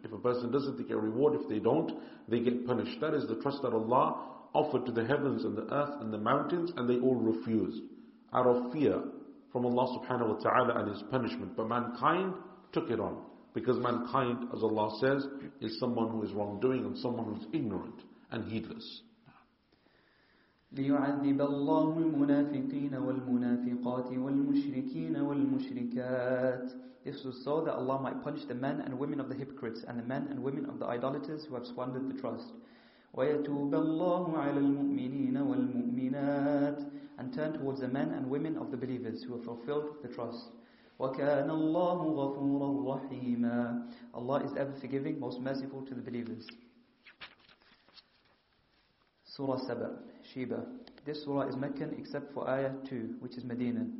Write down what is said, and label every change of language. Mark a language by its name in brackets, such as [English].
[English] If a person does it, they get reward. If they don't, they get punished. That is the trust that Allah offered to the heavens and the earth and the mountains, and they all refused out of fear from Allah subhanahu wa ta'ala and His punishment. But mankind took it on, because mankind, as Allah says, is someone who is wrongdoing and someone who is ignorant and heedless. [Arabic] ليعذب الله المنافقين والمنافقات والمشركين والمشركات. [English] This was so that Allah might punish the men and women of the hypocrites and the men and women of the idolaters who have squandered the trust. [Arabic] ويتوب الله على المؤمنين والمؤمنات. [English] And turn towards the men and women of the believers who have fulfilled the trust. [Arabic] وكان الله غفورا رحيما. [English] Allah is ever forgiving, most merciful to the believers. Surah 7, Sheba. This surah is Meccan except for ayah 2, which is Medina.